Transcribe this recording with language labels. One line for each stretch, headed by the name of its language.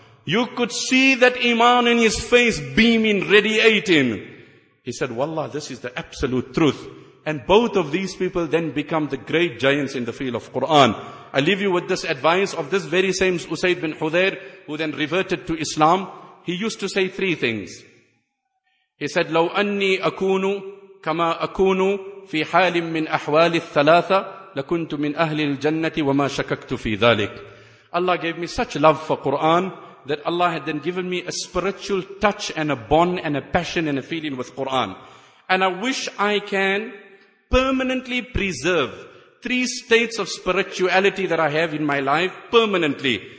English: You could see that iman in his face beaming, radiating. He said, Wallah, this is the absolute truth. And both of these people then become the great giants in the field of Quran. I leave you with this advice of this very same Usayd bin Hudayr, who then reverted to Islam. He used to say three things.
Arabic: He said, لو أني أكون كما أكون في حال من أحوال الثلاثة لكنت من أهل الجنة وما شككت في ذلك.
English: Allah gave me such love for Quran that Allah had then given me a spiritual touch and a bond and a passion and a feeling with Quran. And I wish I can permanently preserve three states of spirituality that I have in my life permanently.